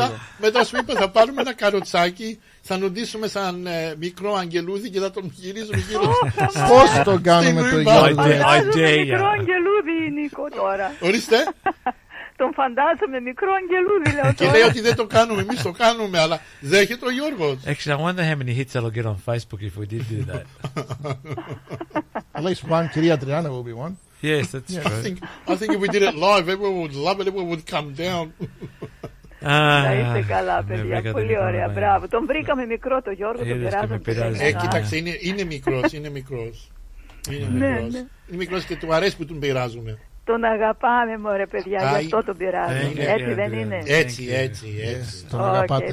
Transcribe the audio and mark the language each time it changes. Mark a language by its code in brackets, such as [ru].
[el] Και μετά σου είπα, θα πάρουμε ένα καροτσάκι. Θα νοντίσουμε σαν μικρό αγγελούδι και θα τον γυρίζουμε γύρω. Πώς το κάνουμε το Γιώργο? Μικρό αγγελούδι είναι Νίκο τώρα. Ορίστε. Τον φαντάζομαι μικρό αγγελούδι, λέω τώρα. Και λέει ότι δεν το κάνουμε, εμείς το κάνουμε, αλλά δέχεται ο Γιώργος. [en] Actually, I wonder how many hits I'll get on Facebook if we did do that. At least one, κυρία Αντριάννα will be one. Yes, that's true. I think if we did it live, everyone would love it, everyone would come down. [el] Να είστε καλά, παιδιά. Πολύ ωραία. Μπράβο. Τον βρήκαμε μικρό το Γιώργο, τον περάσαμε. Κοίταξε, είναι μικρός. Είναι μικρός. Είναι μικρός και του αρέσει που τον πειράζουμε. Τον αγαπάμε, μωρέ, παιδιά. Γι' αυτό τον πειράζουμε. Έτσι δεν είναι? Έτσι. Τον αγαπάτε.